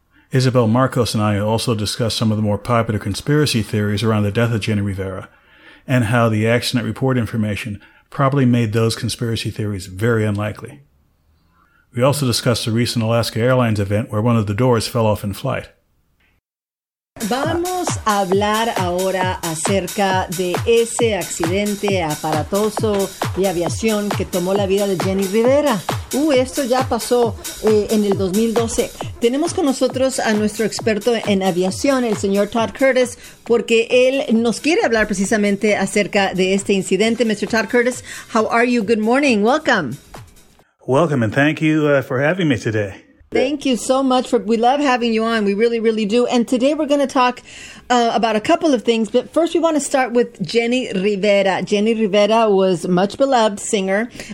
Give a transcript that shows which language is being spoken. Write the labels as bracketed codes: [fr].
[en] Isabel, Marcos, and I also discussed some of the more popular conspiracy theories around the death of Jenny Rivera and how the accident report information probably made those conspiracy theories very unlikely. We also discussed the recent Alaska Airlines event where one of the doors fell off in flight. [es] Vamos a hablar ahora acerca de ese accidente aparatoso de aviación que tomó la vida de Jenny Rivera. Esto ya pasó en el 2012. Tenemos con nosotros a nuestro experto en aviación, el señor Todd Curtis, porque él nos quiere hablar precisamente acerca de este incidente. [en] Mr. Todd Curtis, how are you? Good morning. Welcome. Welcome and thank you for having me today. Thank you so much. We love having you on. We really, really do. And today we're going to talk about a couple of things. But first, we want to start with Jenny Rivera. Jenny Rivera was a much beloved singer.